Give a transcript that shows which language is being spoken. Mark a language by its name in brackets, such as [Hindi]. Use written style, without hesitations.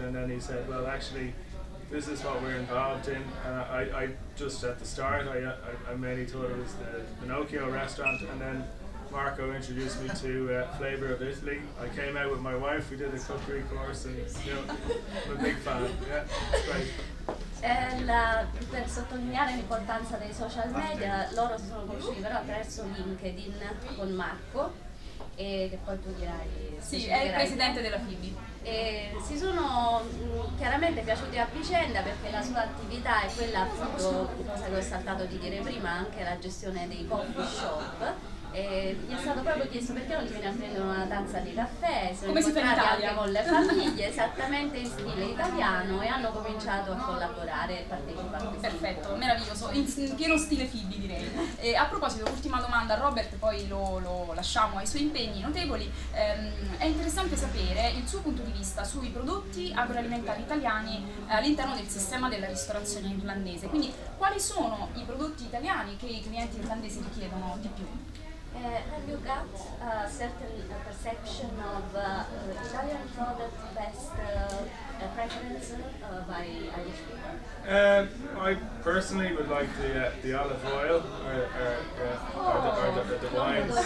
[English] And then he said, well, actually, this is what we're involved in. I just at the start, I mainly thought it was the Pinocchio restaurant, and then Marco introduced me to Flavor of Italy. I came out with my wife, we did a cookery course, and you know, I'm a big fan. Yeah, it's great. [Italian] Per sottolineare l'importanza dei social media, loro si sono conosciuti però attraverso LinkedIn con Marco, e che poi tu dirai. Sì, è il presidente della FIBI. E si sono chiaramente piaciuti a vicenda perché la sua attività è quella appunto, cosa che ho saltato di dire prima, anche la gestione dei coffee shop. E gli è stato proprio chiesto perché non ti viene a prendere una tazza di caffè, come si fa in Italia, anche con le famiglie, esattamente in stile italiano, e hanno cominciato a collaborare e partecipare. Perfetto, meraviglioso, in pieno stile FIBI direi. E a proposito, ultima domanda a Robert, poi lo lasciamo ai suoi impegni notevoli. È interessante sapere il suo punto di vista sui prodotti agroalimentari italiani all'interno del sistema della ristorazione irlandese. Quindi quali sono i prodotti italiani che i clienti irlandesi richiedono di più? [English] Have you got a certain perception of Italian product best preference by Irish people? I personally would like the olive oil or the wines.